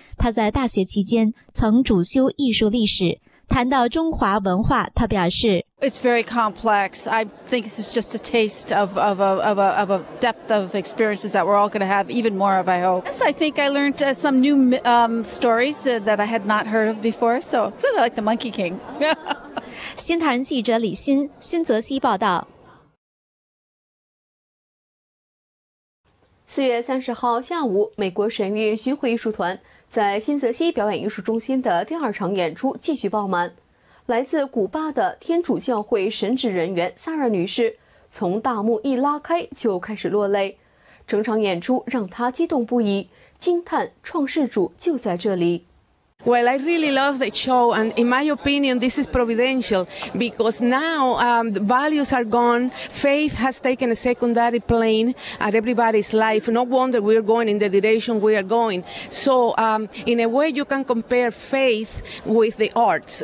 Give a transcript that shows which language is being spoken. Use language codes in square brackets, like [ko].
[zh] 她在大学期间曾主修艺术历史。谈到中华文化，她表示。 [en] It's very complex. I think this is just a taste of a depth of experiences that we're all going to have even more of, I hope. Yes, I think I learned some new stories that I had not heard of before. So sort of like the Monkey King. [zh] 新唐人记者李欣，新泽西报道。四月三十号下午，美国神韵巡回艺术团在新泽西表演艺术中心的第二场演出继续爆满。来自古巴的天主教会神职人员萨拉女士从大幕一拉开就开始落泪，整场演出让她激动不已，惊叹创世主就在这里。 [en] Well, I really love the show, and in my opinion, this is providential because now values are gone. Faith has taken a secondary plane at everybody's life. No wonder we're going in the direction we are going. So, in a way, you can compare faith with the arts.